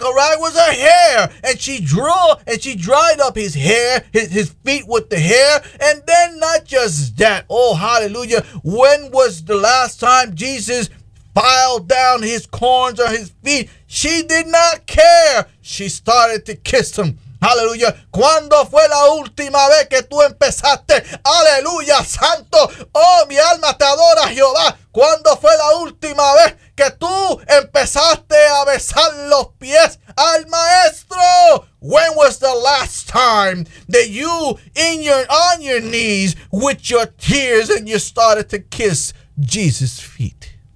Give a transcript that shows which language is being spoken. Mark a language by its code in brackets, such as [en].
[en] A rag was her hair. And she dried up his hair, his feet with the hair. And then not just that. Oh, hallelujah. When was the last time Jesus filed down his corns or his feet? She did not care. She started to kiss him. Hallelujah. [es] ¿Cuándo fue la última vez que tú empezaste? Aleluya, santo. Oh, mi alma te adora, Jehová. ¿Cuándo fue la última vez que tú empezaste a besar los pies al maestro? [en] When was the last time that you on your knees with your tears and you started to kiss Jesus' feet?